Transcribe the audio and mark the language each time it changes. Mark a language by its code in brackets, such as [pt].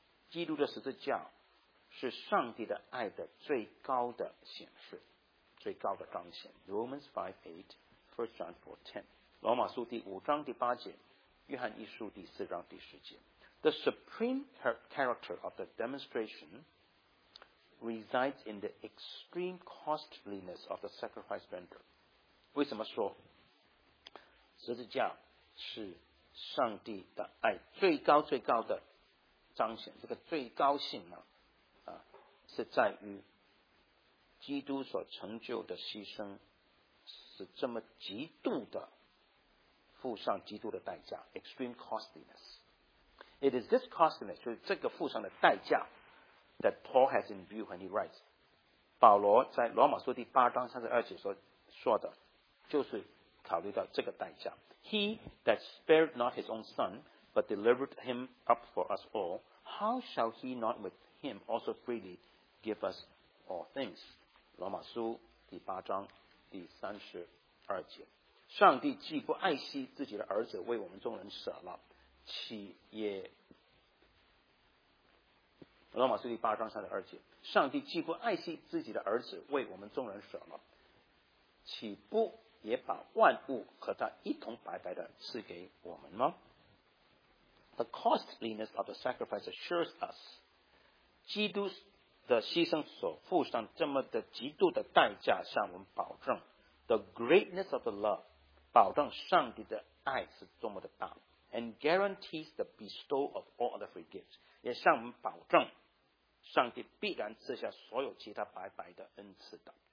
[zh] 基督的十字架是上帝的爱的最高的显示，最高的彰显。 Romans 5:8, 1 John 4:10, 罗马书第五章第八节，约翰一书第四章第十节。 [en] The supreme character of the demonstration resides in the extreme costliness of the sacrifice rendered. [zh] 为什么说十字架是上帝的爱最高最高的彰显？这个最高性呢？是在于基督所成就的牺牲是这么极度的付上极度的代价 [en] extreme costliness. It is this costliness, [zh] 就是这个付上的代价 [en] that Paul has in view when he writes. [zh] 保罗在罗马书第八章三十二节说的就是考虑到这个代价 [en] He that spared not his own son, but delivered him up for us all, how shall he not with him also freely give us all things. [zh] 罗马书第八章第三十二节，上帝既不爱惜自己的儿子为我们众人舍了，岂也？罗马书第八章三十二节，上帝既不爱惜自己的儿子为我们众人舍了，岂不也把万物和他一同白白的赐给我们吗？ [en] The costliness of the sacrifice assures us, [zh] 基督的牺牲所付上这么的极度的代价向我们保证 [en] The greatness of the love [zh] 保证上帝的爱是多么的大 [en] And guarantees the bestow of all other free gifts [zh] 也向我们保证上帝必然赐下所有其他白白的恩赐的